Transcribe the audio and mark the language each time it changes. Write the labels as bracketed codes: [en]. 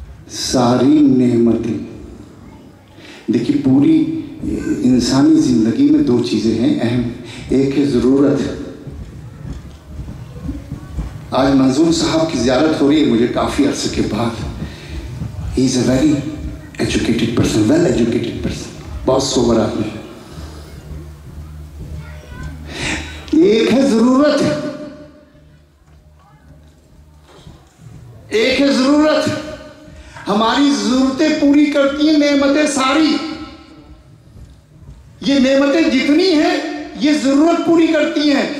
[ur] ساری نعمتیں دیکھیے, پوری انسانی زندگی میں دو چیزیں ہیں اہم. ایک ہے ضرورت. آج منظور صاحب کی زیارت ہو رہی ہے مجھے کافی عرصے کے بعد. [en] he is a very educated person, well educated person, [ur] بہت سوبر آدمی. ایک ہے ضرورت, ایک ہے ضرورت. ہماری ضرورتیں پوری کرتی ہیں نعمتیں ساری. یہ نعمتیں جتنی ہیں یہ ضرورت پوری کرتی ہیں.